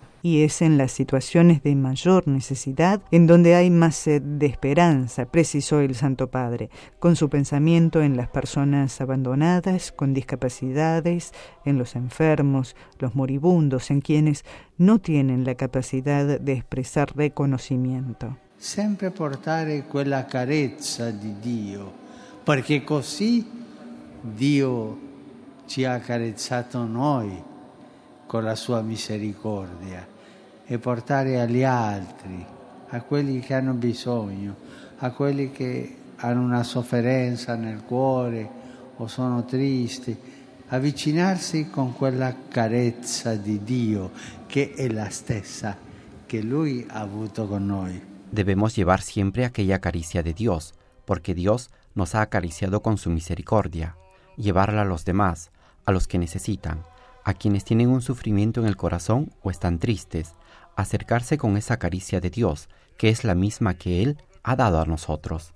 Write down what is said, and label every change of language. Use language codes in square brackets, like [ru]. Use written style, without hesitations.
[es] Y es en las situaciones de mayor necesidad en donde hay más sed de esperanza, precisó el Santo Padre, con su pensamiento en las personas abandonadas, con discapacidades, en los enfermos, los moribundos, en quienes no tienen la capacidad de expresar reconocimiento. [it] Siempre portare quella carezza di Dio, perché così Dio ci ha carezzato noi con la sua misericordia. E portare agli altri, a quelli che hanno bisogno, a quelli che hanno una sofferenza nel cuore o sono tristi, avvicinarsi con quella carezza di Dio che è la stessa che Lui ha avuto con noi. [es] Debemos llevar siempre aquella caricia de Dios, porque Dios nos ha acariciado con su misericordia. Llevarla a los demás, a los que necesitan, a quienes tienen un sufrimiento en el corazón o están tristes. Acercarse con esa caricia de Dios, que es la misma que Él ha dado a nosotros.